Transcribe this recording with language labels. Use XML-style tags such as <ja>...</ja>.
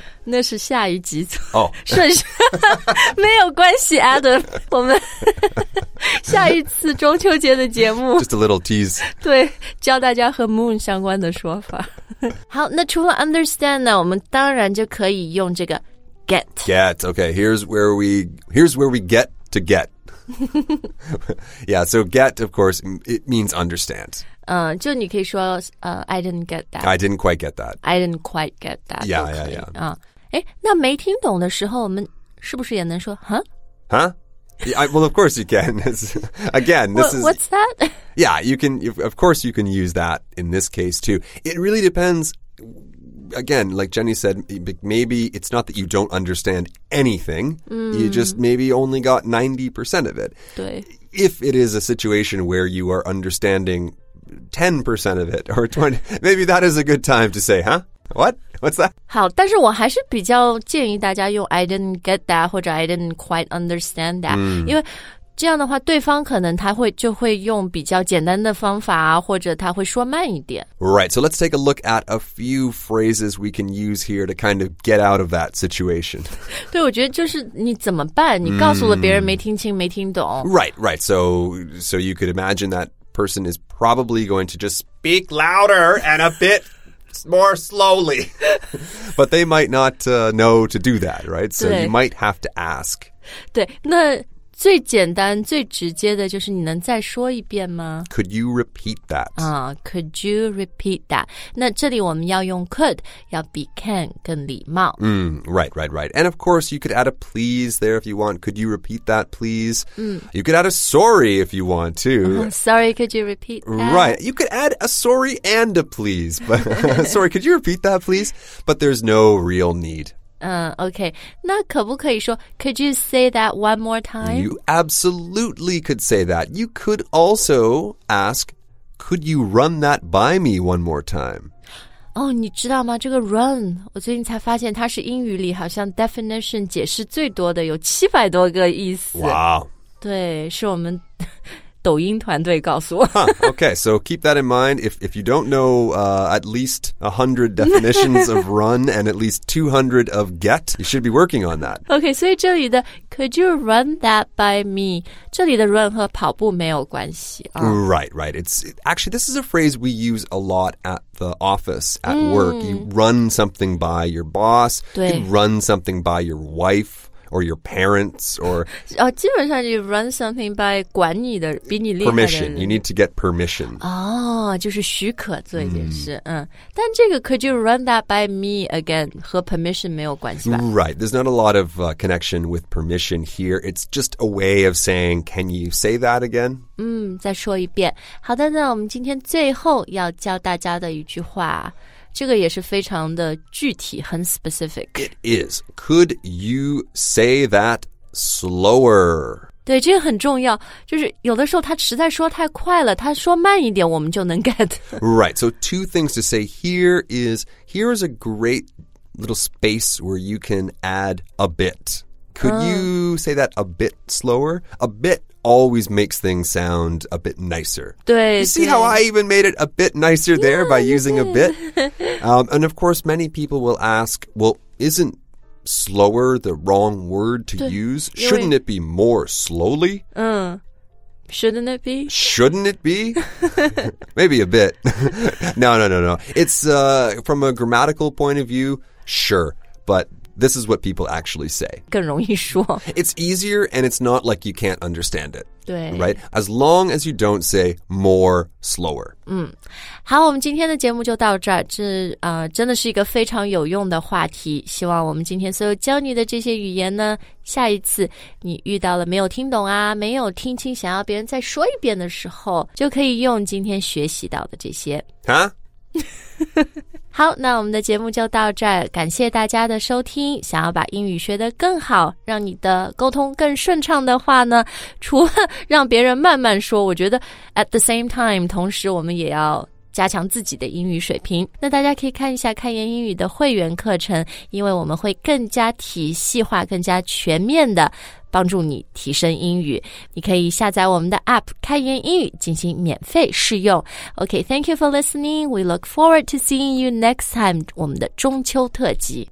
<zh>那是下一集。</zh> <en>Oh.</en> <zh>顺序没有关系 Adam. 我们下一次中秋节的节目。</zh> <en>Just a little tease.</en> <zh>对教大家和 moon 相关的说法。好，那除了 understand 呢，我们当然就可以用这个 get.</zh> <en>Get. Okay. Here's where we get to get. Yeah. So get, of course, it means understand.</en> <zh>就你可以说</zh> <en>I didn't get that. I didn't quite get that. I didn't quite get that. Yeah. Yeah. Yeah.</en> <zh>那没听懂的时候，我们是不是也能说 huh?</zh> <en>Huh? Yeah, well, of course you can. Again, this is... What's that? Yeah, you can... Of course you can use that in this case, too. It really depends. Again, like Jenny said, maybe it's not that you don't understand anything. Mm. You just maybe only got 90% of it.</en> <zh>对.</zh> <en>If it is a situation where you are understanding 10% of it or 20, maybe that is a good time to say, huh? What? What's that?</en> <zh>好，但是我还是比较建议大家用</zh> <en>I didn't get that</en> <zh>或者</zh> <en>I didn't quite understand that、 mm.</en> <zh>因为这样的话对方可能他会就会用比较简单的方法或者他会说慢一点</zh> <en>Right, so let's take a look at a few phrases we can use here to kind of get out of that situation</en> <zh>对，我觉得就是你怎么办你告诉了别人没听清、mm. 没听懂</zh> <en>Right, right, so you could imagine that person is probably going to just speak louder and a bit more slowly. But they might not know to do that, right? So you might have to ask.</en> <zh>对，那最简单、最直接的就是你能再说一遍吗？</zh> <en>Could you repeat that? Could you repeat that?</en> <zh>那这里我们要用 could, 要比 can 更礼貌。</zh> <en>Mm, right, right, right. And of course, you could add a please there if you want. Could you repeat that, please? Mm. You could add a sorry if you want to. Sorry, could you repeat that? Right. You could add a sorry and a please. But sorry, could you repeat that, please? But there's no real need. Okay.</en> <zh>那可不可以说</zh> <en>could you say that one more time? You absolutely could say that. You could also ask, could you run that by me one more time?</en> <zh>Oh, 你知道吗？这个 run, 我最近才发现它是英语里好像 definition 解释最多的，有700多个意思。</zh> <en>Wow.</en> <zh>对，是我们抖音团队告诉我。</zh> <en>Okay, so keep that in mind. If you don't know at least 100 definitions of run and at least 200 of get, you should be working on that. Okay,</en> <zh>所以这里的</zh> <en>could you run that by me?</en> <zh>这里的 run 和跑步没有关系。</zh> <en>Right, right. Actually, this is a phrase we use a lot at the office, at work. You run something by your boss.</en> <zh>对。</zh> <en>You run something by your wife. Or your parents, or...</en> <zh>Oh, 基本上</zh> <en>you run something by</en> <zh>管你的比你厉害的人</zh> <en>Permission, you need to get permission.</en> <zh>Oh, 就是许可做一件事。 Mm. 但这个</zh> <en>could you run that by me again,</en> <zh>和 permission 没有关系吧</zh> <en>Right, there's not a lot of connection with permission here. It's just a way of saying, can you say that again?</en> <zh>再说一遍。好的，那我们今天最后要教大家的一句话这个也是非常的具体，很 specific.</zh> <en>It is. Could you say that slower?</en> <zh>对，这个很重要。就是有的时候他实在说太快了，他说慢一点，我们就能 get.</zh> <en>Right. So two things to say here is, here is a great little space where you can add a bit. Could you say that a bit slower? A bit. Always makes things sound a bit nicer.</en> <zh>对</zh> <en>You see how I even made it a bit nicer there yeah, by using a bit? And of course, many people will ask, well, isn't slower the wrong word to use? Shouldn't it be more slowly? Shouldn't it be? Shouldn't it be? Maybe a bit. No. It's from a grammatical point of view, sure, but... This is what people actually say.</en> <zh>更容易说。</zh> <en>It's easier and it's not like you can't understand it.</en> <zh>对。</zh> <en>Right? As long as you don't say more slower.</en> <zh>好，我们今天的节目就到这儿。这真的是一个非常有用的话题。希望我们今天所有教你的这些语言呢，下一次你遇到了没有听懂啊，没有听清，想要别人再说一遍的时候，就可以用今天学习到的这些。啊？好，那我们的节目就到这儿，感谢大家的收听。想要把英语学得更好，让你的沟通更顺畅的话呢，除了让别人慢慢说，我觉得</zh> <en>at the same time，</en> <zh>同时我们也要加强自己的英语水平。那大家可以看一下开言英语的会员课程，因为我们会更加体系化，更加全面的帮助你提升英语。你可以下载我们的 APP 开言英语进行免费试用。</zh> <en>OK, thank you for listening. We look forward to seeing you next time,</en> <zh>我们的中秋特辑。</zh>